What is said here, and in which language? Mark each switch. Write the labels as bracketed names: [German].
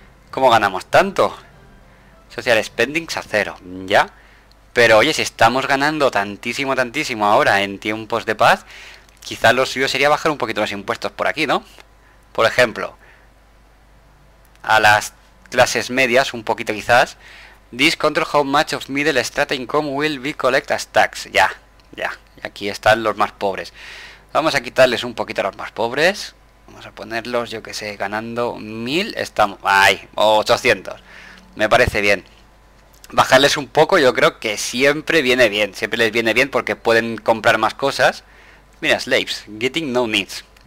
[Spanish] ¿Cómo ganamos tanto? [English] Social spendings [Spanish] a cero. Ya. Pero oye, si estamos ganando tantísimo ahora en tiempos de paz, quizás lo suyo sería bajar un poquito los impuestos por aquí, ¿no? Por ejemplo, a las clases medias, un poquito quizás. [English] This control how much of middle strata income will be collected as tax. [Spanish] Ya. Y aquí están los más pobres. Vamos a quitarles un poquito a los más pobres. Vamos a ponerlos, yo que sé, ganando 1000. Estamos... ¡Ay! 800. Me parece bien. Bajarles un poco, yo creo que siempre viene bien. Siempre les viene bien porque pueden comprar más cosas. Mira, [English] slaves. Getting no needs.